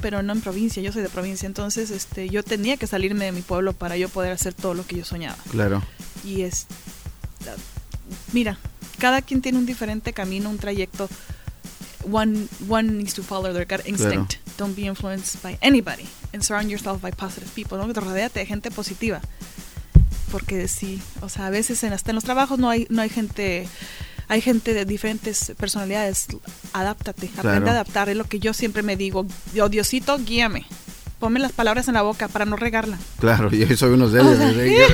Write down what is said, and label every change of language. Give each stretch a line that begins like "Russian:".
Spanish: Pero no en provincia, yo soy de provincia. Entonces yo tenía que salirme de mi pueblo para yo poder hacer todo lo que yo soñaba. Claro. Y es, mira, cada quien tiene un diferente camino, un trayecto.
English: One needs to follow their gut instinct. Claro. Don't be influenced by anybody and surround yourself by positive people, ¿no?
Spanish: Rodéate de gente positiva. Porque sí, o sea, a veces hasta en los trabajos no hay gente, hay gente de diferentes personalidades. Adáptate, claro, aprende a adaptar. Es lo que yo siempre me digo. Oh, Diosito, guíame. Ponme las palabras en la boca para no regarla. Claro, yo soy uno de ellos.